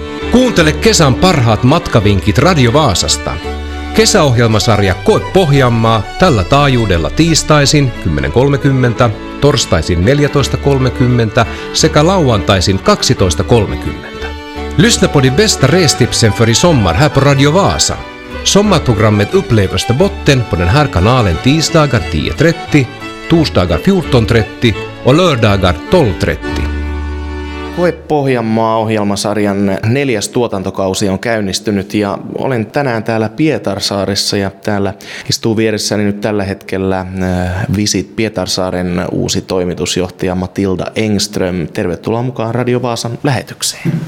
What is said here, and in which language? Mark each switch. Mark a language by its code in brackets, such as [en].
[fi] Kuuntele kesän parhaat matkavinkit Radio Vaasasta. Kesäohjelmasarja Koe Pohjanmaa tällä taajuudella tiistaisin 10.30, torstaisin 14.30 sekä lauantaisin 12.30. [sv] Lyssna på de bästa restipsen för i sommar här på Radio Vaasa. Sommarprogrammet upplevs på botten på den här kanalen tisdagar 10.30, torsdagar 14.30 och lördagar 12.30. [fi] Koe Pohjanmaa -ohjelmasarjan neljäs tuotantokausi on käynnistynyt ja olen tänään täällä Pietarsaaressa ja täällä istuu vieressäni nyt tällä hetkellä Visit Pietarsaaren uusi toimitusjohtaja Matilda Engström. Tervetuloa mukaan Radio Vaasan lähetykseen.